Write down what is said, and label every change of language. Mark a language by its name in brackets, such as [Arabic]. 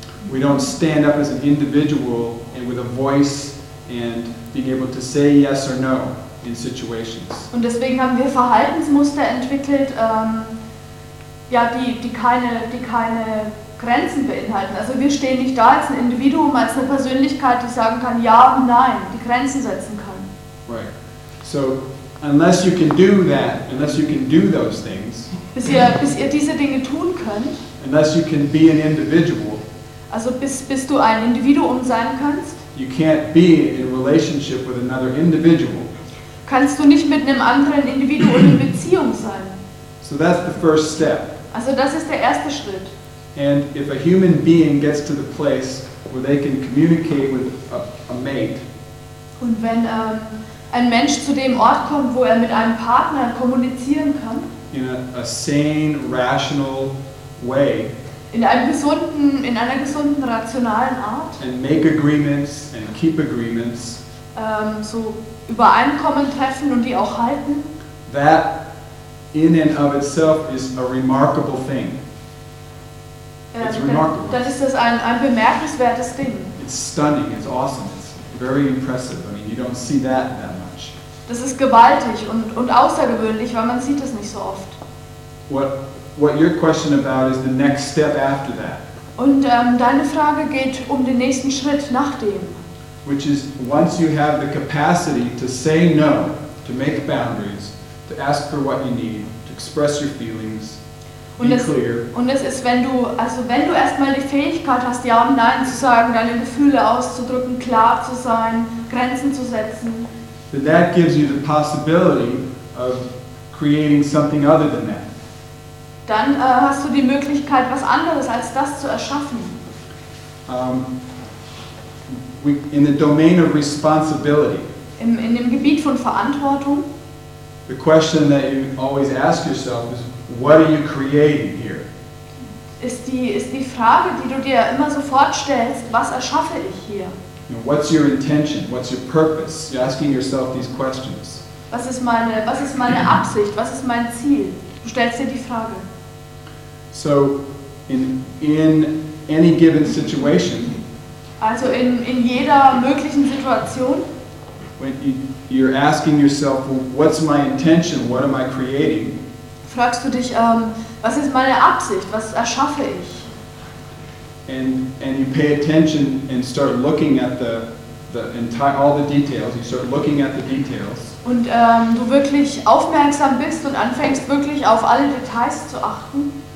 [English] We don't stand up as an individual and with a voice and being able to say yes or no in situations. [German] Und deswegen haben wir Verhaltensmuster entwickelt, die keine Grenzen beinhalten. Also wir stehen nicht da als ein Individuum, als eine Persönlichkeit, die sagen kann ja und nein, die Grenzen setzen kann. [English] Right. So unless you can do that, unless you can do those things. [German] Bis ihr diese Dinge tun könnt. [English] Unless you can be an individual. [German] Also bis du ein Individuum sein kannst. [English] You can't be in relationship with another individual. [German] Kannst du nicht mit einem anderen Individuum in Beziehung sein. [English] So that's the first step. [German] Also das ist der erste Schritt. [English] And if a human being gets to the place where they can communicate with a mate. [German] Und wenn ein Mensch zu dem Ort kommt, wo er mit einem Partner kommunizieren kann. [English] In a sane, rational way. [German] In einer gesunden, rationalen Art. [English] And make agreements and keep agreements. [German] So Übereinkommen treffen und die auch halten. [English] That in and of itself is a remarkable thing. It's remarkable. [German] Dann ist das ein bemerkenswertes Ding. [English] It's stunning. It's awesome. It's very impressive. I mean, you don't see that much. [German] Das ist gewaltig und außergewöhnlich, weil man sieht das nicht so oft. [English] What your question about is the next step after that. [German] Und deine Frage geht um den nächsten Schritt nach dem. [English] Which is once you have the capacity to say no, to make boundaries, to ask for what you need, to express your feelings. [German] Und es ist, wenn du erstmal die Fähigkeit hast, ja und nein zu sagen, deine Gefühle auszudrücken, klar zu sein, Grenzen zu setzen. [English] Then that gives you the possibility of creating something other than that. [German] Dann hast du die Möglichkeit, was anderes als das zu erschaffen. [English] In the domain of responsibility. [German] In dem Gebiet von Verantwortung. [English] The question that you always ask yourself is, what are you creating here? [German] Ist die Frage, die du dir immer sofort stellst, was erschaffe ich hier? [English] What's your intention? What's your purpose? You're asking yourself these questions. [German] Was ist meine Absicht? Was ist mein Ziel? Du stellst dir die Frage. [English] So, in any given situation. [German] Also in jeder möglichen Situation. [English] When you're asking yourself, well, what's my intention? What am I creating? [German] Fragst du dich, was ist meine Absicht? Was erschaffe ich? [English] And you pay attention and start looking at the entire, all the details. You start looking at the details. [German] Und du wirklich aufmerksam bist und anfängst wirklich auf alle Details zu achten.